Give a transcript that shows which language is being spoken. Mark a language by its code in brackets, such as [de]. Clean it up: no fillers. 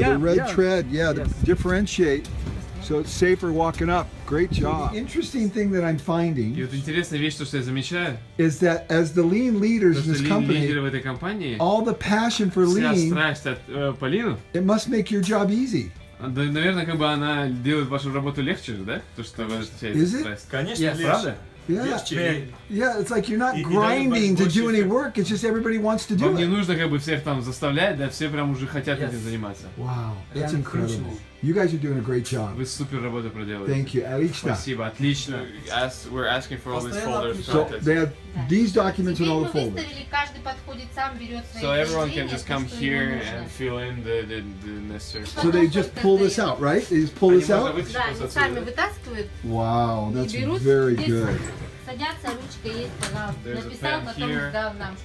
[en] The red tread, differentiate. So it's safer walking up. Great job. The interesting thing that I'm finding is that as the lean leaders in this company, all the passion for lean, it must make your job easy. [ru] Да, наверное, как бы она делает вашу работу легче, да? То, что вы же все это стресс. Конечно, [en] yes, [ru] правда? [en] It's like you're not grinding to do any work, it's just everybody wants to do it. [ru] Вам не нужно как бы всех там заставлять, да, все прям уже хотят этим заниматься. [en] Wow, that's incredible. You guys are doing a great job. [ru] Вы супер работу проделали. [en] Thank you. [ru] Отлично. Спасибо, отлично. [en] We're asking for all these folders. So they have these documents and all the folders. [ru] Теперь мы выставили, каждый подходит сам, берет свои. [en] So everyone can just come here and fill in the necessary. So they just pull this out, right? They just pull this out? [ru] Да, они сами вытаскивают. [en] Wow, that's very good. [ru] Садятся, ручка есть, написал, потом сдал нам.